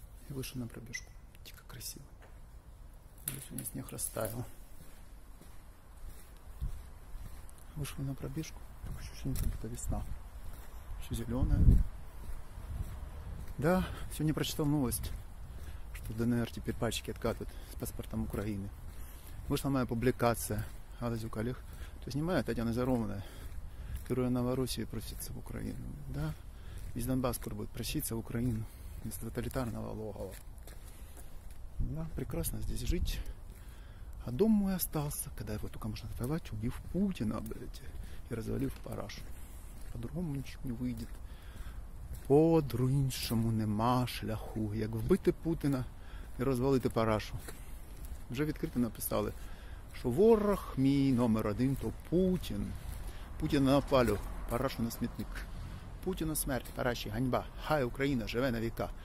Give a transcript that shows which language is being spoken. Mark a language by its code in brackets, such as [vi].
[uk] Я вийшов на пробіжку, тільки красиво. Десь у мене сніг розтаяв. Вийшов на пробіжку, тільки ощущення, [ru] будто весна. [uk] Що зелене. Да, сьогодні прочитав новость. [ru] Что ДНР теперь пальчики откатывает с паспортом Украины. Вышла моя публикация. Галазюк Олег. То снимает Татьяна Заромная. Которая Новороссию просится в Украину. Да. Весь Донбасс скоро будет проситься в Украину. Из тоталитарного логова. Да, прекрасно здесь жить. А дом мой остался, когда его только можно отвоевать, убив Путина, блядь. И развалив парашу. По-другому ничего не выйдет. [uk] По-другому нема шляху, як вбити Путіна і розвалити парашу. Вже відкрито написали, що ворог мій номер один, то Путін. Путіна на палю, парашу на смітник. Путіну смерть, параші, ганьба, хай Україна живе на віка.